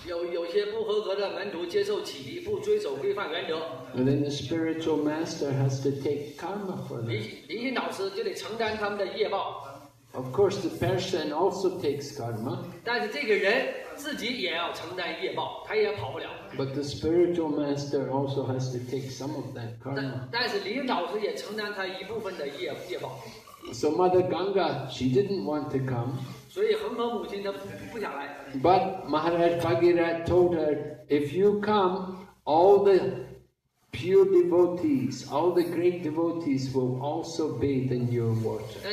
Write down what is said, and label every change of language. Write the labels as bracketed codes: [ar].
[en] And then the spiritual master has to take karma for them. Of course, the person also takes karma. But the spiritual master also has to take some of that karma. [zh] 但是领导者也承担他一部分的业报。 [en] So Mother Ganga, she didn't want to come. But Maharaj Bhagirath told her, if you come, all the pure devotees, all the great devotees will also bathe in your water.